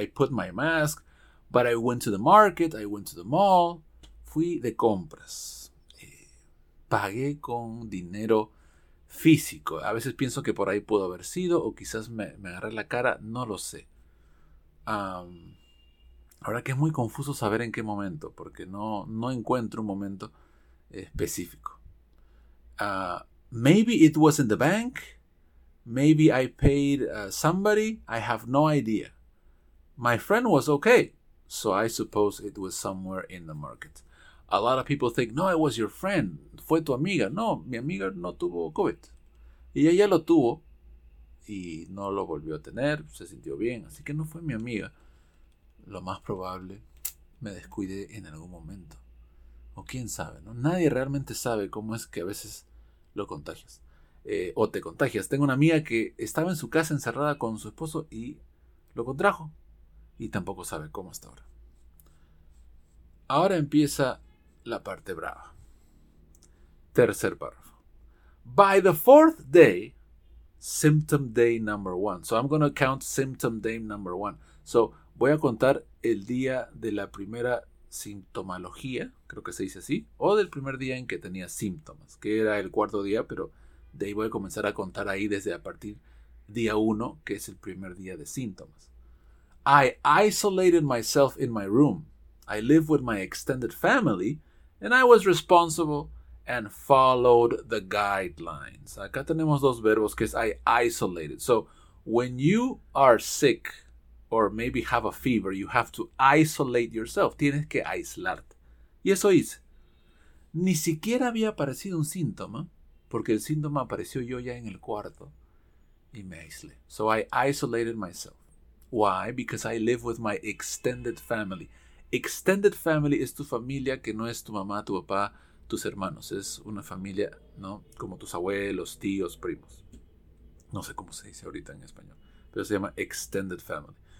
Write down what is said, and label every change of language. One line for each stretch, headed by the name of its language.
English: I put my mask, but I went to the market. I went to the mall. Fui de compras.
Spanish: Pagué con dinero físico. A veces pienso que por ahí pudo haber sido, o quizás me agarré la cara. No lo sé. Ahora que es muy confuso saber en qué momento, porque no encuentro un momento específico.
English: Maybe it was in the bank. Maybe I paid somebody. I have no idea. My friend was okay, so I suppose it was somewhere in the market. A lot of people think, no, it was your friend.
Spanish: Fue tu amiga. No, mi amiga no tuvo COVID. Y ella lo tuvo y no lo volvió a tener. Se sintió bien, así que no fue mi amiga. Lo más probable, me descuidé en algún momento. O quién sabe, ¿no? Nadie realmente sabe cómo es que a veces lo contagias. O te contagias. Tengo una amiga que estaba en su casa encerrada con su esposo y lo contrajo. Y tampoco sabe cómo hasta ahora. Ahora empieza la parte brava. Tercer párrafo.
English: By the fourth day, symptom day number one. So I'm going to count symptom day number one.
Spanish: So voy a contar el día de la primera sintomatología, creo que se dice así, o del primer día en que tenía síntomas, que era el cuarto día, pero de ahí voy a comenzar a contar ahí desde a partir día 1, que es el primer día de síntomas.
English: I isolated myself in my room. I live with my extended family, and I was responsible and followed the guidelines. Acá tenemos dos verbos, que es I isolated. So, when you are sick, or maybe have a fever, you have to isolate yourself.
Spanish: Tienes que aislarte. Y eso hice. Ni siquiera había aparecido un síntoma, porque el síntoma apareció yo ya en el cuarto y me aislé.
English: So I isolated myself. Why? Because I live with my extended family.
Spanish: Extended family es tu familia que no es tu mamá, tu papá, tus hermanos. Es una familia, ¿no? Como tus abuelos, tíos, primos. No sé cómo se dice ahorita en español, pero se llama extended family.